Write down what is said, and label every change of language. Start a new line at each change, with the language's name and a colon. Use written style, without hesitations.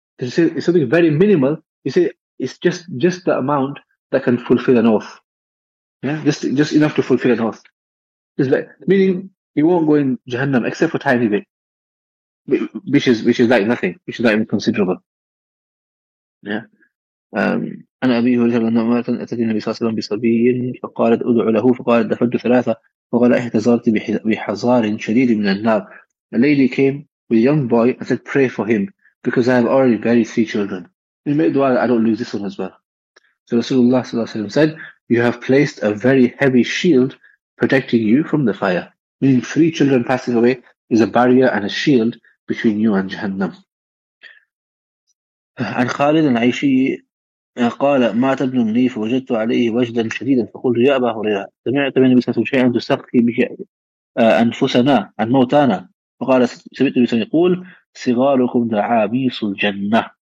English: It's something very minimal. You say it's just the amount that can fulfill an oath. Yeah? Just enough to fulfill an oath. It's like, meaning you won't go in Jahannam except for a tiny bit. Which is like nothing, which is not even considerable. Yeah.
Arabic: أنا أبي هريرة أن أمرأة أتت النبي صلى الله عليه وسلم بصبي فقالت أدع له فقالت دفنت ثلاثة فقال احتزرت بحزار شديد من النار.
English: A lady came with a young boy and said, pray for him because I have already buried three children. He made dua that I don't lose this one as well. So Rasulullah
Arabic: صلى الله عليه وسلم
English: said, you have placed a very heavy shield protecting you from the fire. Meaning three children passing away is a barrier and a shield between you and Jahannam.
Arabic: عن خالد العيشي قال مات ابن لي فوجدت عليه وجدا شديدا فقلت يا أبا هريرة سمعت من النبي صلى الله عليه وسلم شيئا تسقي به أنفسنا عن موتانا فقال سمعت النبي صلى الله عليه وسلم يقول صغاركم دعابيس الجنة.